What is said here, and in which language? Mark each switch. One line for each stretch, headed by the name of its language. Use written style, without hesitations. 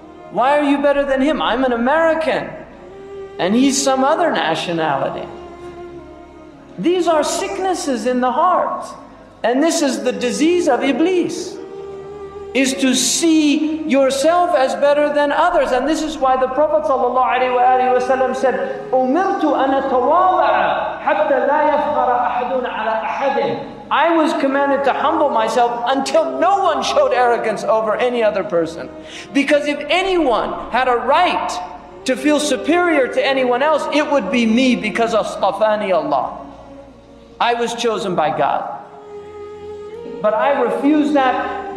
English: Why are you better than him? I'm an American and he's some other nationality. These are sicknesses in the heart. And this is the disease of Iblis, is to see yourself as better than others. And this is why the Prophet ﷺ said,
Arabic: أُمِرْتُ أَنَا تَوَاضَعَ حَتَّى لَا يَفْخَرَ أَحَدٌ عَلَى أَحَدٍ.
English: I was commanded to humble myself until no one showed arrogance over any other person. Because if anyone had a right to feel superior to anyone else, it would be me, because
Arabic: أَصْطَفَانِي
English: Allah. I was chosen by God. But I refuse that.